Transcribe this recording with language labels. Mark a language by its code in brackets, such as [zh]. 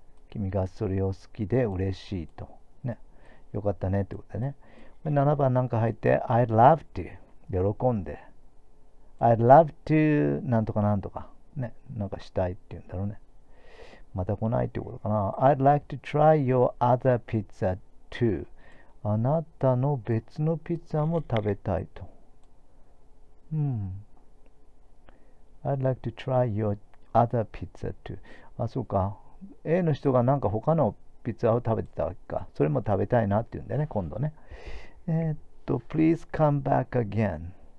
[ja] 君がそれを好きで嬉しいと。ね。よかったねってことね。 7番なんか入って、 [en] I'd love to. [ja] 喜んで。 [en] I'd love to [ja] なんとかなんとか。ね、なんかしたいって言うんだろうね。また来ないってことかな。 [en] I'd like to try your other pizza too. [ja] あなたの別のピザも食べたいと。 [en] I'd like to try your other pizza too. [ja] あ、そうか。 A の人がなんか他のピザを食べてたわけか。それも食べたいなって言うんだよね、今度ね。 [en] Please come back again.